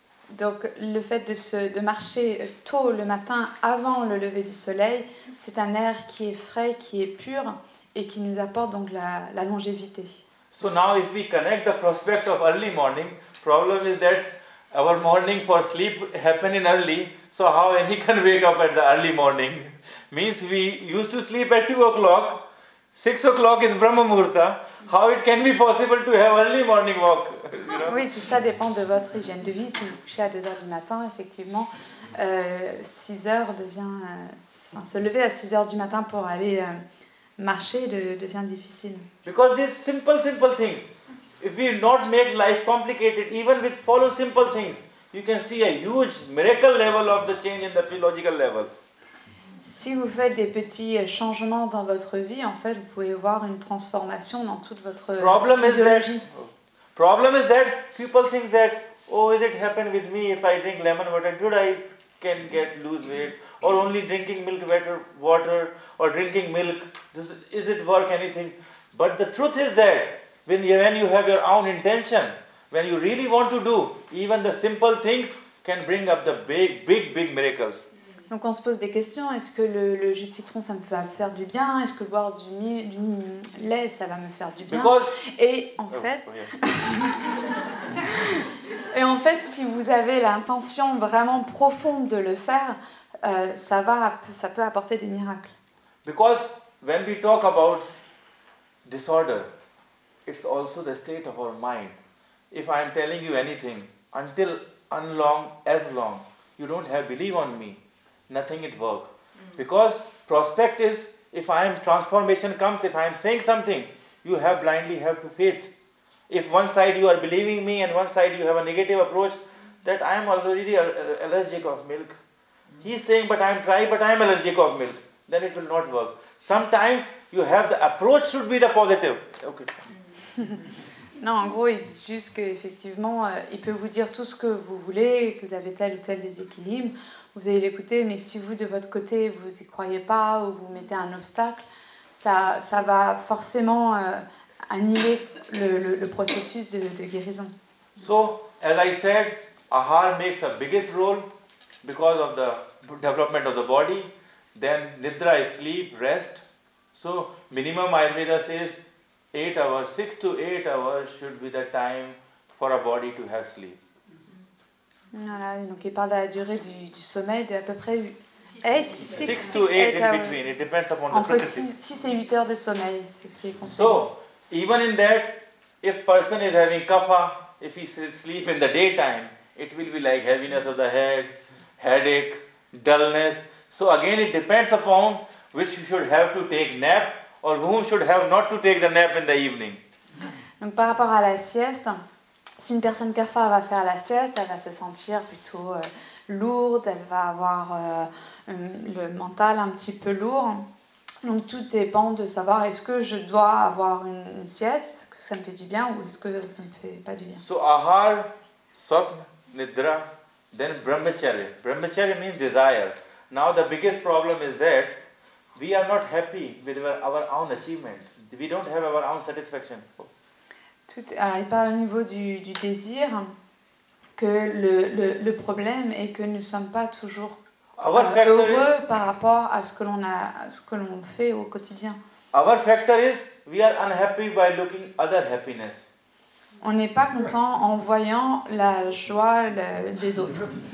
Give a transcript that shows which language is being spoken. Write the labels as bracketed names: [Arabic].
[French] Donc le fait de marcher tôt le matin avant le lever du soleil, c'est un air qui est frais, qui est pur et qui nous apporte donc la longévité. [English] So now if we connect the prospect of early morning, problem is that our morning for sleep happen in early. So how any can wake up at the early morning? Means we used to sleep at 2 o'clock. 6 o'clock is Brahma Muhurta. How it can be possible to have early morning walk? You know? [French] Oui, tout ça dépend de votre hygiène de vie. Si vous couchez à 2 heures du matin, effectivement, 6 heures devient... se lever à 6 heures du matin pour aller marcher devient difficile. [English] Because these simple things, if we not make life complicated, even with follow simple things, you can see a huge miracle level of the change in the physiological level. [French] Si vous faites des petits changements dans votre vie, en fait, vous pouvez voir une transformation dans toute votre physiologie. [English] Problem is that people think that, oh, is it happen with me if I drink lemon water? Do I can get lose weight? Or only drinking milk water or drinking milk? Is it work anything? But the truth is that when you have your own intention, when you really want to do, even the simple things can bring up the big miracles. [French] Donc on se pose des questions, est-ce que le jus de citron ça me va faire du bien? Est-ce que boire du lait ça va me faire du bien? Et en fait, si vous avez l'intention vraiment profonde de le faire, ça peut apporter des miracles. [English] Because when we talk about disorder, it's also the state of our mind. If I'm telling you anything, until unlong, as long, you don't have belief on me. Nothing it work. Because prospect is, if I am, transformation comes, if I am saying something, you have blindly have to faith. If one side you are believing me and one side you have a negative approach, that I am already allergic of milk. He is saying, but I am dry, but I am allergic of milk. Then it will not work. Sometimes you have the approach should be the positive. Okay. [French] Non, en gros, il dit juste qu'effectivement, il peut vous dire tout ce que vous voulez, que vous avez tel ou tel déséquilibre. Vous allez l'écouter, mais si vous, de votre côté, vous n'y croyez pas ou vous mettez un obstacle, ça va forcément annuler le processus de guérison. [English] So, as I said, ahar makes a biggest role because of the development of the body. Then, nidra is sleep, rest. So, minimum Ayurveda says 8 hours, 6 to 8 hours should be the time for a body to have sleep. [French] Voilà, donc il parle de la durée du sommeil de à peu près [English] 6 to 8 hours. Between, it depends upon the [French] entre 6 et 8 heures de sommeil, c'est ce qui est conseillé. [English] So, even in that, if person is having kapha, if he sleep in the daytime, it will be like heaviness of the head, headache, dullness. So again, it depends upon which you should have to take nap or whom should have not to take the nap in the evening. [French] Donc par rapport à la sieste, si une personne kapha va faire la sieste, elle va se sentir plutôt lourde, elle va avoir le mental un petit peu lourd. Donc tout dépend de savoir est-ce que je dois avoir une sieste, que ça me fait du bien ou est-ce que ça ne me fait pas du bien. [English] So ahar, sapna, nidra, then brahmacharya. Brahmacharya means desire. Now the biggest problem is that we are not happy with our own achievement. We don't have our own satisfaction. [French] Il parle au niveau du désir que le problème est que nous ne sommes pas toujours heureux par rapport à ce que l'on a, ce que l'on fait au quotidien. [English] Our factor is we are unhappy by looking other happiness. [French] On n'est pas content en voyant la joie des autres.